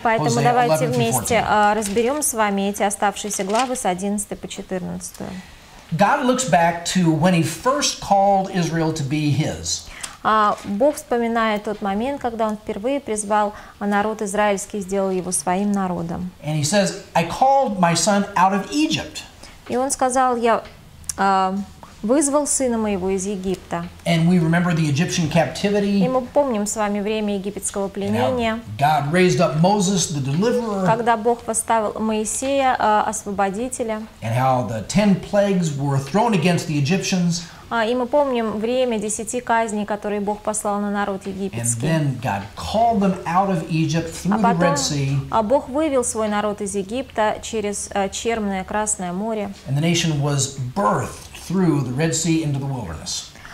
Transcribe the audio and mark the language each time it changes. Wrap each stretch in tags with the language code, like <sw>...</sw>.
<ru>Поэтому Hosea давайте вместе разберем с вами эти оставшиеся главы с 11 по 14.</ru> <en>God looks back to when He first called Israel to be His.</en> <ru>Бог вспоминает тот момент, когда Он впервые призвал народ израильский, сделал его своим народом.</ru> <en>And He says, "I called my son out of Egypt."</en> <ru>И Он сказал, я вызвал сына моего из Египта.</ru> <en>And we remember the Egyptian captivity.</en> <ru>И мы помним с вами время египетского пленения.</ru> <en>God raised up Moses, the deliverer.</en> <ru>Когда Бог поставил Моисея, освободителя.</ru> <en>And how the 10 plagues were thrown against the Egyptians.</en> <ru>И мы помним время 10 казней, которые Бог послал на народ египетский.</ru> <en>And then God called them out of Egypt through</en> <ru>потом,</ru> <en>the Red Sea.</en> <ru>А Бог вывел свой народ из Египта через Черное Красное море.</ru> <en>And the nation was birthed through the Red Sea into the wilderness.</en>